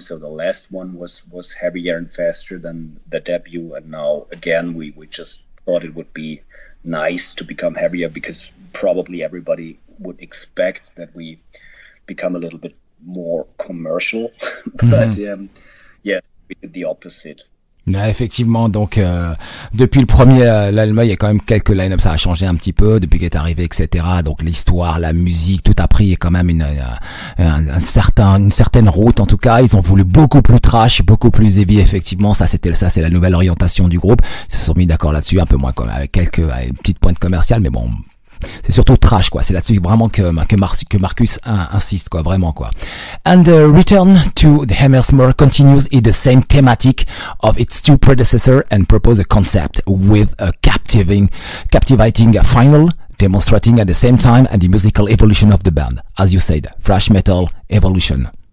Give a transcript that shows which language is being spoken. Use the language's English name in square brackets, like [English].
[English] So the last one was heavier and faster than the debut. And now, again, we just thought it would be nice to become heavier, because probably everybody would expect that we become a little bit more commercial. But yes, we did the opposite. [French] Ah, effectivement, donc depuis le premier l'album, il y a quand même quelques line-up, ça a changé un petit peu depuis qu'il est arrivé, etc. Donc l'histoire, la musique, tout a pris quand même une certaine route. En tout cas, ils ont voulu beaucoup plus trash, beaucoup plus heavy. Effectivement, c'est la nouvelle orientation du groupe. Ils se sont mis d'accord là-dessus, un peu moins quand même, avec quelques petites pointes commerciales, mais bon. C'est surtout trash, quoi. C'est là-dessus vraiment que Markus insiste, quoi. Vraiment, quoi. [English] And the return to the Hemmersmoor continues in the same thematic of its two predecessors and propose a concept with a captivating final, demonstrating at the same time and the musical evolution of the band. As you said, thrash metal evolution.